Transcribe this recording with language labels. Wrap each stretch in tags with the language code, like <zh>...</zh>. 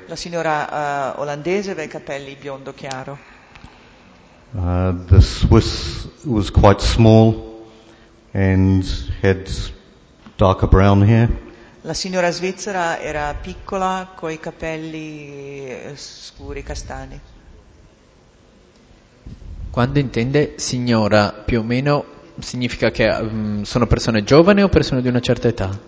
<it>La signora olandese aveva i capelli biondo chiaro.</it> <en>The Swiss was quite small and had darker brown hair.</en> <it>La signora svizzera era piccola coi capelli scuri castani. Quando intende signora, più o meno significa che sono persone giovani o persone di una certa età?</it>